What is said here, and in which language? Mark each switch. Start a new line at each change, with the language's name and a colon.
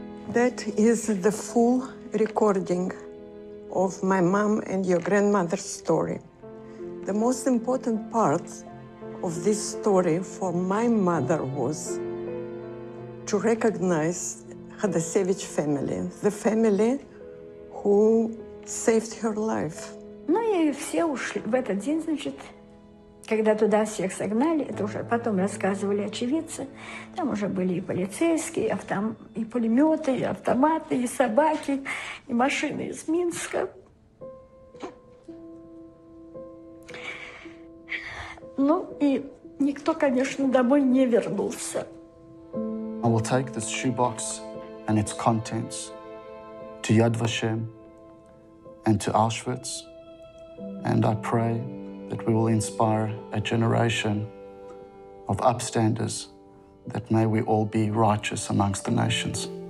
English: That is the full recording of my mom and your grandmother's story. The most important part of this story for my mother was to recognize Hadasevich family, the family who saved her life.
Russian: Ну и все ушли в этот день, значит, когда туда всех согнали, это уже потом рассказывали очевидцы. Там уже были и полицейские, и пулеметы, и автоматы, и собаки, и машины из Минска. Ну и никто, конечно, домой не вернулся.
English: I will take this shoebox and its contents to Yad Vashem and to Auschwitz. And I pray that we will inspire a generation of upstanders, that may we all be righteous amongst the nations.